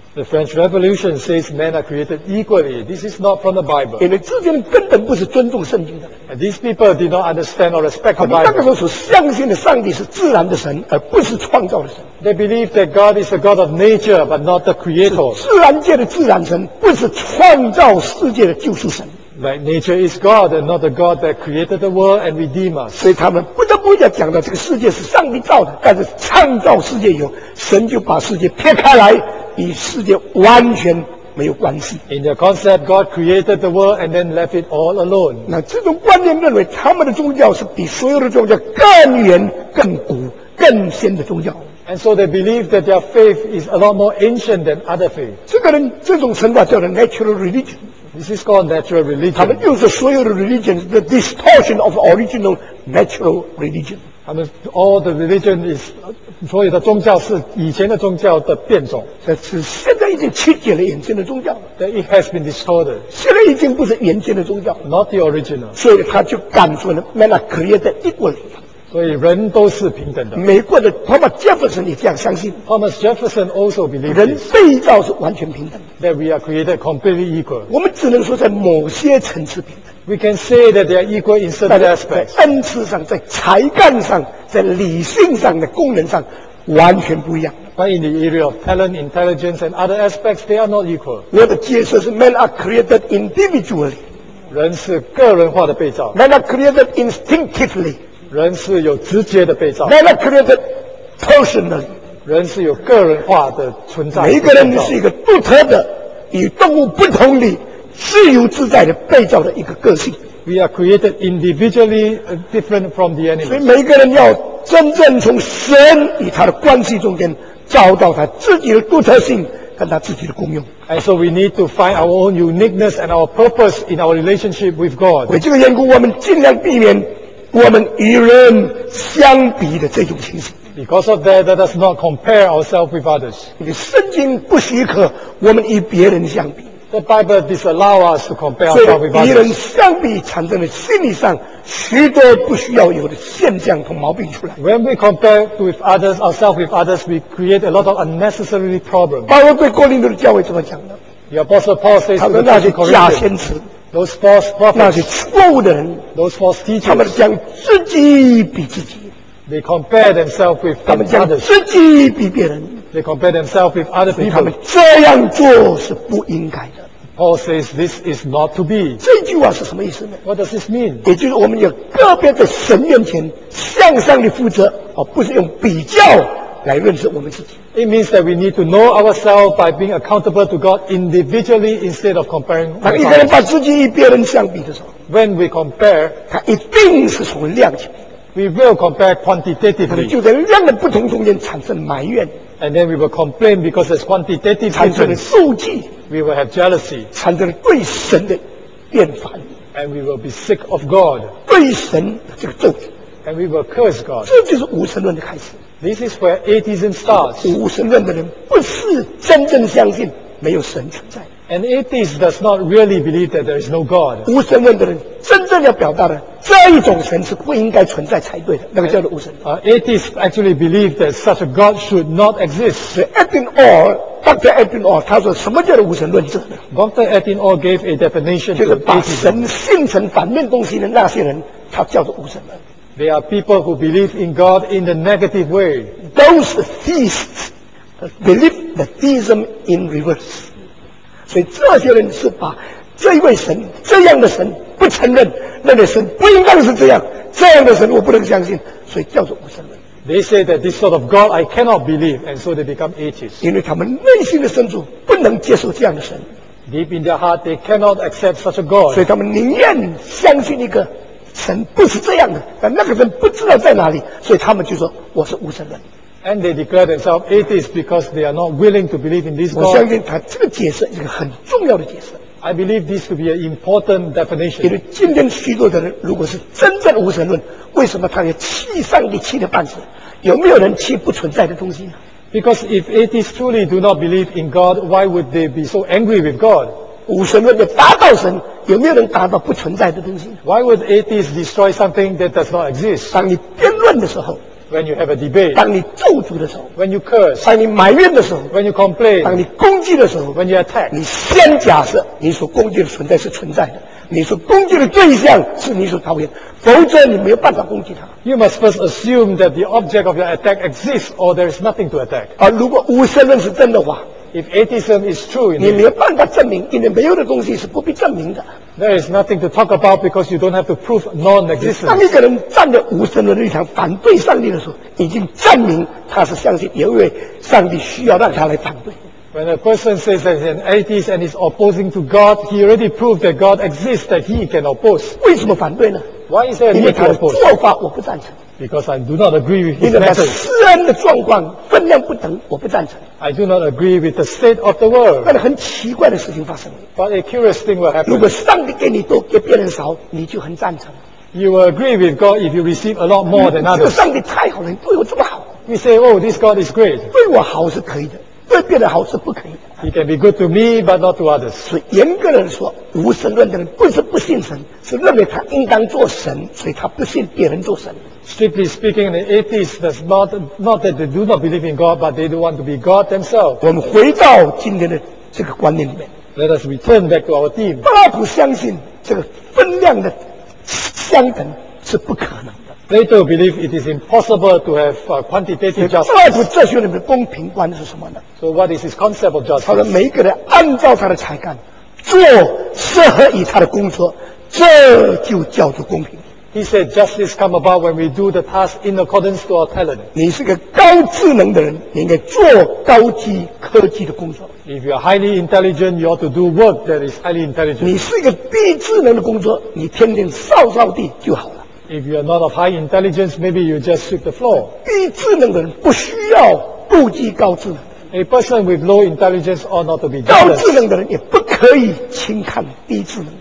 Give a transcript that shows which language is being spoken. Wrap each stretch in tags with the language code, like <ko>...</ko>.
<en>The French Revolution says men are created equally. This is not from the Bible.</en> <zh>因为这些人根本不是尊重圣经的。</zh> <en>And these people did not understand or respect the Bible.</en> <zh>他们那个时候所相信的上帝是自然的神，而不是创造的神。</zh> <en>They believe that God is the God of nature, but not the Creator.</en> <zh>是自然界的自然神，不是创造世界的救赎神。</zh> <en>Like nature is God, and not the God that created the world and redeemed us.</en> <zh>所以他们不得不要讲到这个世界是上帝造的，但是创造世界以后，神就把世界撇开来。与世界完全没有关系。</zh> <en>In the concept, God created the world and then left it all alone.</en> <zh>那这种观念认为他们的宗教是比所有的宗教更远、更古、更先的宗教。</zh> <en>And so they believe that their faith is a lot more ancient than other faith.</en> <zh>这个人这种神法叫做</zh> <en>natural religion. This is called natural religion.</en> <zh>他们又是所有的</zh> <en>religion the distortion of original natural religion.</en> <zh>他们</zh> <en>all the religion is.</en> <zh>所以的宗教是以前的宗教的变种，这是现在已经曲解了原先的宗教。</zh> <en>That it has been distorted.</en> <zh>现在已经不是原先的宗教。</zh> <en>Not the original.</en> <zh>所以他就敢说呢 ，</zh> <en>Men are created equal.</en> <zh>所以人都是平等的。美国的 Thomas Jefferson 也这样相信。</zh> <en>Thomas Jefferson also believes.</en> <zh>人被造是完全平等的。</zh> <en>That we are created completely equal.</en> <zh>我们只能说在某些层次平等。</zh> <en>We can say that they are equal in certain aspects.</en> <zh>在恩赐上，在才干上。在理性上的功能上完全不一样。</zh> <en>But in the area of talent, intelligence, and other aspects, they are not equal.</en> <zh>我的解释是</zh> <en>，men are created individually.</en> <zh>人是个人化的被造。</zh> <en>Men are created instinctively.</en> <zh>人是有直接的被造。</zh> <en>Men are created personally.</en> <zh>人是有个人化的存在。每一个人是一个独特的、与动物不同的、自由自在的被造的一个个性。</zh> <en>We are created individually different from the animals.</en> <zh>所以每个人要真正从神与他的关系中间找到他自己的独特性跟他自己的功用。</zh> <en>And so we need to find our own uniqueness and our purpose in our relationship with God.</en> <zh>为这个缘故，我们尽量避免我们与人相比的这种情形。</zh> <en>Because of that, let us not compare ourselves with others.</en> <zh>因为圣经不许可我们与别人相比。</zh> <en>The Bible disallow us to compare ourselves with others.</en> <zh>所以与人相比，产生了心理上许多不需要有的现象和毛病出来。</zh> <en>When we compare with others, ourselves with others, we create a lot of unnecessary problems.</en> <zh>保罗对哥林多的教会怎么讲的？</zh> <en>The Apostle Paul says to the church in Corinth.</en> <zh>他们那些假先知。</zh> <en>Those false prophets,</en> <zh>那些错误的人</zh> <en>those false teachers,</en> <zh>他们将自己比自己</zh> <en>they compare themselves with</en> <zh>他们将自己比别人</zh> <en>they compare themselves with other people,</en> <zh>他们这样做是不应该的</zh> <en>Paul says this is not to be</en> <zh>这句话是什么意思呢</zh> <en>What does this mean?</en> <zh>也就是我们有个别的神面前向上的负责、哦、不是用比较来认识我们自己</zh> <en>It means that we need to know ourselves by being accountable to God individually instead of comparing</en> <zh>当一个人把自己与别人相比的时候</zh> <en>When we compare</en> <zh>他一定是从量起</zh> <en>We will compare quantitatively</en> <zh>就在量的不同中间产生埋怨</zh> <en>And then we will complain because there's quantitative</en> <zh>产生了妒忌</zh> <en>We will have jealousy</en> <zh>产生了对神的厌烦</zh> <en>And we will be sick of God</en> <zh>对神的这个咒诅</zh> <en>And we will curse God</en> <zh>这就是无神论的开始</zh> <en>This is where atheism starts.</en> <zh>无神论的人不是真正相信没有神存在。</zh> <en>An atheist does not really believe that there is no God.</en> <zh>无神论的人真正要表达的这一种神是不应该存在才对的，那个叫做无神。</zh> <en>Atheists actually believe that such a God should not exist. So Edwin Orr, Dr.</en> <zh>Edwin Orr, 他说什么叫做无神论者呢</zh> <en>？Dr. Edwin Orr gave a definition to atheism.</en> <zh>就是把神信成反面东西的那些人，他叫做无神论。</zh> <en>There are people who believe in God in the negative way. Those theists believe the theism in reverse.</en> <zh>所以这些人是把这一位神这样的神不承认，那个神不应该是这样，这样的神我不能相信，所以叫做无神论。</zh> <en>They say that this sort of God I cannot believe, and so they become atheists.</en> <zh>因为他们内心的深处不能接受这样的神。</zh> <en>Deep in their heart, they cannot accept such a God.</en> <zh>所以他们宁愿相信一个。神不是这样的，但那个人不知道在哪里，所以他们就说我是无神论。</zh> <en>And they declare themselves atheists because they are not willing to believe in this God.</en> <zh>我相信他这个解释是一个很重要的解释。</zh> <en>I believe this to be an important definition.</en> <zh>因为今天许多的人如果是真正无神论，为什么他要气上帝气的半死？有没有人气不存在的东西呢</zh> <en>？Because if atheists truly do not believe in God, why would they be so angry with God?</en> <zh>无神论的达到神。有没有人达到不存在的东西</zh> <en>？Why would atheists destroy something that does not exist？</en> <zh>当你辩论的时候</zh> <en>，When you have a debate，</en> <zh>当你咒诅的时候</zh> <en>，When you curse，</en> <zh>当你埋怨的时候</zh> <en>，When you complain，</en> <zh>当你攻击的时候</zh> <en>，When you attack，</en> <zh>你先假设你所攻击的存在是存在的，你所攻击的对象是你所讨厌，否则你没有办法攻击它。</zh> <en>You must first assume that the object of your attack exists or there is nothing to attack。</en> <zh>而如果无神论是真的话。</zh> <en>If atheism is true,</en> <zh>你没有办法证明，因为没有的东西是不必证明的。</zh> <en>There is nothing to talk about because you don't have to prove non-existence.</en> <zh>当一个人站在无神论立场反对上帝的时候，已经证明他是相信，因为上帝需要让他来反对。</zh> <en>When a person says that he's an atheist and is opposing to God, he already proved that God exists that he can oppose.</en> <zh>为什么反对呢</zh> <en>？Why is there a need to oppose?</en> <zh>因为他的做法我不赞成。</zh> <en>Because I do not agree with his methods.</en> <zh>因为他私人的状况分量不等，我不赞成。</zh> <en>I do not agree with the state of the world.</en> <zh>但是很奇怪的事情发生了。</zh> <en>But a curious thing will happen.</en> <zh>如果上帝给你多，给别人少，你就很赞成。</zh> <en>You will agree with God if you receive a lot more than others.</en> <zh>这个上帝太好了，对我这么好。</zh> <en>You say, oh, this God is great.</en> <zh>对我好是可以的，对别人好是不可以的。</zh> <en>He can be good to me, but not to others.</en> <zh>所以严格的说，无神论的人不是不信神，是认为他应当做神，所以他不信别人做神。</zh> <en>Strictly speaking, the atheists does not that they do not believe in God, but they do want to be God themselves.</en> <zh>我们回到今天的这个观念里面。</zh> <en>Let us return back to our theme.</en> <zh>巴拉普相信这个分量的相等是不可能的。</zh> <en>Plato believes it is impossible to have quantitative justice.</en> <zh>巴拉普哲学里面公平观是什么呢</zh> <en>？So what is his concept of justice?</en> <zh>他说每一个人按照他的才干做适合于他的工作，这就叫做公平。</zh> <en>He said justice comes about when we do the task in accordance to our talent.</en> <zh>你是个高智能的人，你应该做高级科技的工作。</zh> <en>If you are highly intelligent, you ought to do work that is highly intelligent.</en> <zh>你是一个低智能的工作，你天天扫扫地就好了。</zh> <en>If you are not of high intelligence, maybe you just sweep the floor.</en> <zh>低智能的人不需要妒忌高智能。</zh> <en>A person with low intelligence ought not to be</en> <zh>jealous. 高智能的人也不可以轻看低智能。</zh>